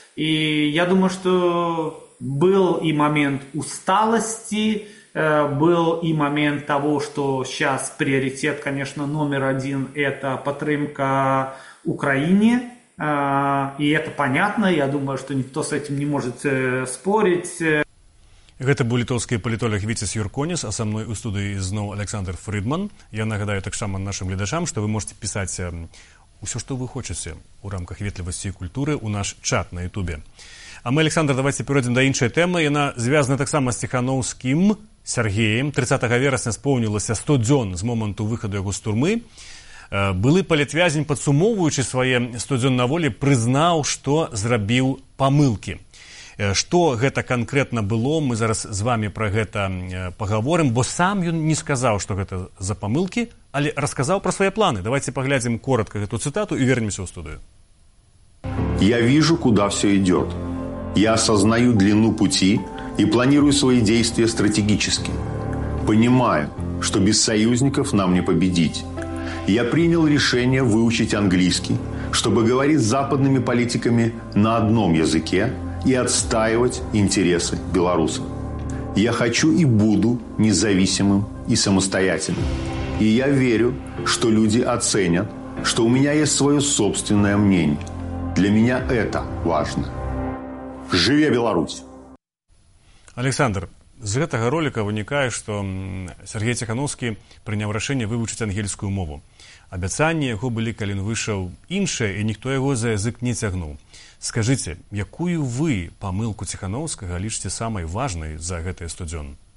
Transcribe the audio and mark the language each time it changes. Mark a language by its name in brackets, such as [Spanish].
[Russian] И я думаю, что был и момент усталости, был и момент того, что сейчас приоритет, конечно, номер один – это подтримка Украине. И это понятно, я думаю, что никто с этим не может спорить. [Belarusian] Гэта быў літоўскі палітолог Віцяс Юрконіс, а са мной у студыі зноў Александр Фрыдман. Я нагадаю таксама нашым гледачам, што вы можаце пісаць ўсё, што вы хочаце ў рамках ветлівасці і культуры ў наш чат на Ютубе. А мы, Александр, давайце перайдзем да іншай тэмы. Яна звязана таксама з Ціхановскім Сергеем. 30 верасня споўнілася 100 дзён з моманту выхаду яго з турмы. Былы палітвязень, падсумоўваючы свае 100 дзён на волі, прызнаў, што зрабіў памылкі. Што гэта канкрэтна было, мы зараз з вамі пра гэта пагаворым, бо сам ён не сказаў, што гэта за памылкі, але расказаў пра свае планы. Давайце паглядзім коротка гэту цытату і вернемся ў студыю. [Russian] Я вижу, куда всё идёт. Я осознаю длину пути и планирую свои действия стратегически. Понимаю, что без союзников нам не победить. Я принял решение выучить английский, чтобы говорить с западными политиками на одном языке, и отстаивать интересы белорусов. Я хочу и буду независимым и самостоятельным. И я верю, что люди оценят, что у меня есть свое собственное мнение. Для меня это важно. Живи, Беларусь! [Belarusian] Александр, з гэтага роліка вынікае, што Сергей Ціхановскі прыняў рашэнне вывучыць ангельскую мову. Абяцанні яго былі, калі ён выйшаў іншыя, і ніхто яго за язык не цягнуў. Скажыце, якую вы памылку Ціхановскага лічыце самай важнай за гэтыя студзён?